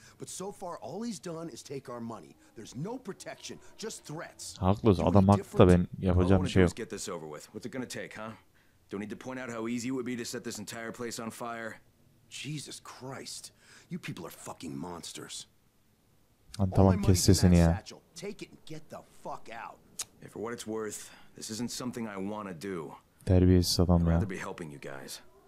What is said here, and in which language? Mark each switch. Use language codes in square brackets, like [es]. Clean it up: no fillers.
[en] But so far all he's done is take our money. There's no protection, just threats. [tr] Haklısın, adam haklı da ben yapacağım bir şey yok. [en] What's it gonna take, huh? Don't need to point out how easy it would be to set this entire place on fire. Jesus Christ. You people are fucking monsters. [tr] Lan tamam, kes sesini ya. [en] Take it and get the fuck out. If for what it's worth, this isn't something I want to do. [tr] Terbiyesiz adam ya. [en] I'd rather be helping you guys.